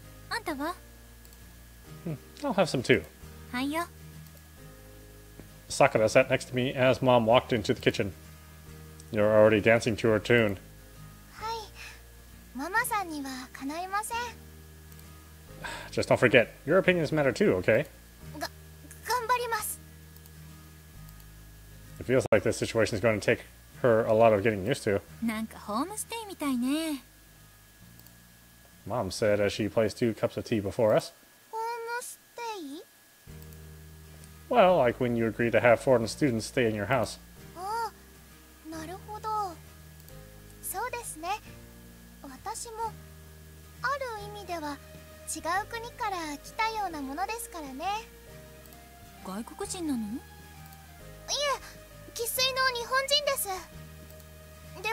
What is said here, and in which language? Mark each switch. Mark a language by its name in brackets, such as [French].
[Japanese] あんたは？ [English] I'll have some too. [Japanese] はいよ。 [English] Sakura sat next to me as Mom walked into the kitchen. You're already dancing to her tune. [Japanese] ママさんにはかないません。 [English] Just don't forget, your opinions matter too, okay? [Japanese] 頑張ります。 [English] It feels like this situation is going to take her a lot of getting used to. [Japanese] なんかホームステイみたいね。 [English] Mom said as she placed two cups of tea before us. [Japanese] ホームステイ？ [English] Well, like when you agree to have foreign students stay in your house. [Japanese] ああ、なるほど。そうですね。私もある意味では違う国から来たようなものですからね。外国人なの？いえ、生粋の日本人です。